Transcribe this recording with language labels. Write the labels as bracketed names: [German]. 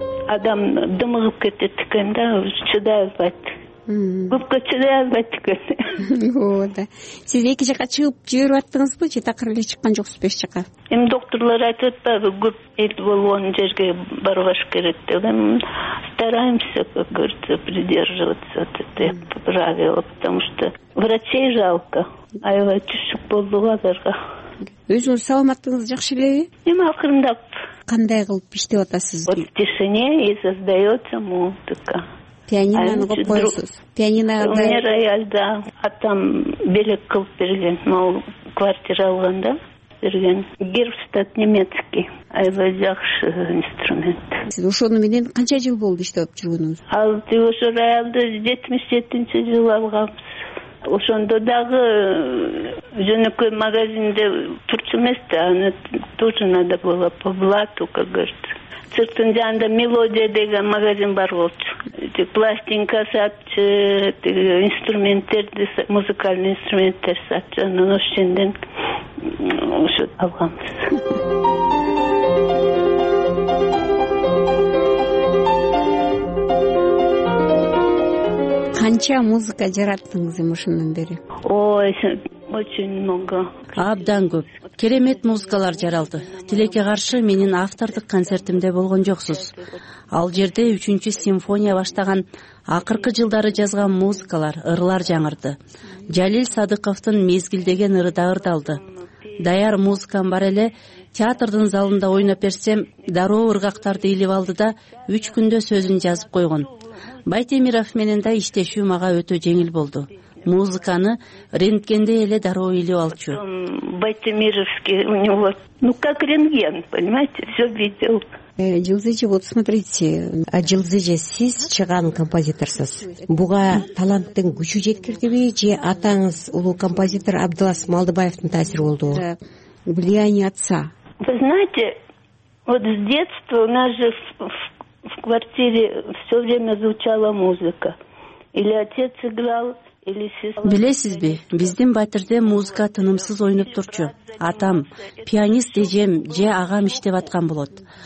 [Kyrgyz] Адам дымыгып кетет экен да, чыдай албайт. Көпкө чыдай албайт экен. Оо да. Сиз эки жака чыгып жүрүп аттыңызбы же такыр эле чыккан жоксуз беш жака? Эми доктурлар айтып атпайбы, көп эл болгон жерге барбаш керек деп. [Russian] Эми стараемся, как говорится, придерживаться от этого правила, потому что врачей жалко. [Kyrgyz] Аябай түшүк болдуга аларга. Өзүңүз саламаттыгыңыз жакшы элеби? Эми акырындап. Кандай кылып иштеп атасыз? [Russian] Вот в тишине и создается музыка. [Kyrgyz] Пианиноны коюп коесуз? Пианиноны. [Russian] У меня рояль, да. [Kyrgyz] Атам белек кылып берген, [Russian] могу квартира [Kyrgyz] алганда берген. Герстат немецкий. Аябай жакшы инструмент. Сиз ошону менен канча жыл болду иштеп жүргөнүңүз? Ал ошо роялды 77-жылы алганбыз. Ошондо дагы жөнөкөй магазинде турчу эмес да, аны [Russian] тоже надо было по блату, как говорится. [Kyrgyz] Цирктын жанында мелодия деген магазин бар болчу. Пластинка сатчы, инструменттерди, музыкальный инструменттер сатчы, анан ошол жерден ошо алганбыз. Канча музыка жараттыңыз эми ошондон бери? [Russian] Ой, очень много. [Kyrgyz] Абдан көп. Керемет музыкалар жаралды. Тилекке каршы менин автордук концертимде болгон жоксуз. Ал жерде 3-чү симфония баштаган акыркы жылдары жазган музыкалар, ырлар жаңырды. Жалил Садыковтун Мезгил деген ыры да ырдалды. Даяр музыкам бар эле, театрдын залында ойноп берсем, дароо ыргактарды илип алды да 3 күндө сөзүн жазып койгон. Байтемиров менен да иштешүү мага өтө жеңил болду. Музыканы рентгендей эле дароо илип алчу. [Russian] Байтемировский у него, ну как рентген, понимаете, все видел. [Kyrgyz] Жылдызы, [Russian] вот смотрите, [Kyrgyz] а Жылдызы, сиз чыгаган композиторсуз. Буга таланттын күчү жеткирдиби же атаңыз улуу композитор Абдылас Малдыбаевдин таасири болду? [Russian] Влияние отца. Вы знаете, вот с детства у нас же в квартире все время звучала музыка. Или отец играл, или сестра. [Kyrgyz] Билесизби, биздин батирде музыка тынымсыз ойноп турчу. Атам пианист эжем же агам иштеп аткан болот.